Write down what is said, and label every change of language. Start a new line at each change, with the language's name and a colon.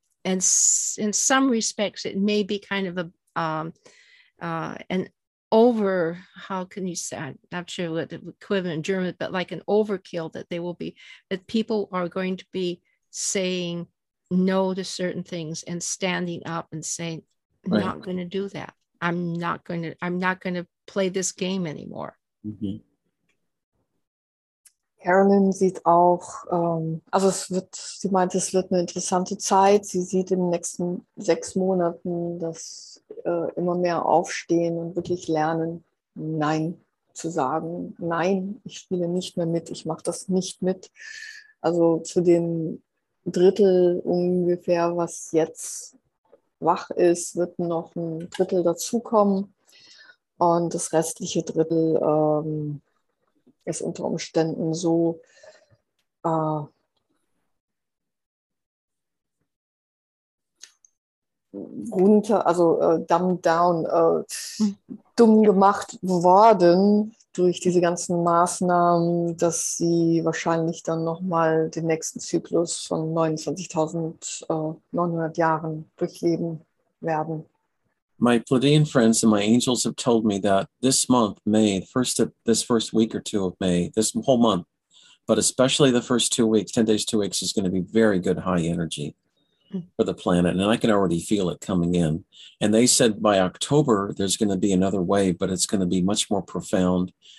English: And in some respects, it may be kind of a an over, how can you say, I'm not sure what the equivalent in German, but like an overkill that people are going to be saying no to certain things and standing up and saying, I'm Right. not going to do that. I'm not going to play this game anymore.
German: Carolyn sieht auch, also sie meint, es wird eine interessante Zeit. Sie sieht in den nächsten 6 Monaten, dass immer mehr aufstehen und wirklich lernen, Nein zu sagen. Nein, ich spiele nicht mehr mit, ich mache das nicht mit. Also zu dem Drittel ungefähr, was jetzt wach ist, wird noch ein Drittel dazukommen. Und das restliche Drittel ist unter Umständen so, runter, also
English: dumbed down,
German: dumm gemacht worden durch diese ganzen Maßnahmen, dass sie wahrscheinlich dann nochmal den nächsten Zyklus von 29.900 Jahren durchleben werden.
English: My Pleiadian friends and my angels have told me that this month, May, this first week or two of May, this whole month, but especially the first 2 weeks, 10 days, 2 weeks, is going to be very good high energy for the planet. And I can already feel it coming in. And they said by October, there's going to be another wave, but it's going to be much more profound.